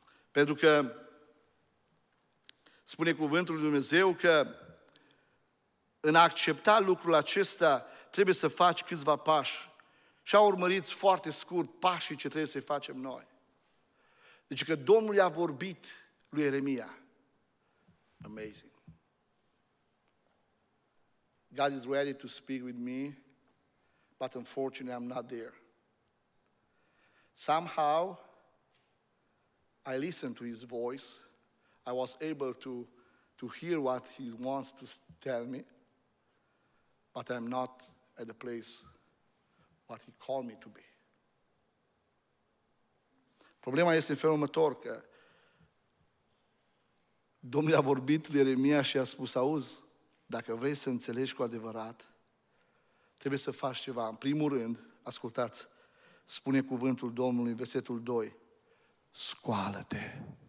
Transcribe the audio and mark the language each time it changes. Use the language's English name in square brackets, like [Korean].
[Romanian] Pentru că spune cuvântul lui Dumnezeu că în a accepta lucrul acesta trebuie să faci câțiva pași. Și a urmărit foarte scurt pașii ce trebuie să-i facem noi. Deci că Domnul i-a vorbit lui Ieremia. [English] Amazing. God is ready to speak with me, but unfortunately I'm not there. Somehow I listened to his voice. I was able to hear what he wants to tell me. But I'm not at the place what he called me to be. [Romanian] Problema este în felul următor, că Domnul a vorbit lui Ieremia și a spus, auzi, dacă vrei să înțelegi cu adevărat, trebuie să faci ceva. În primul rând, ascultați, spune cuvântul Domnului, versetul 2, scoală-te!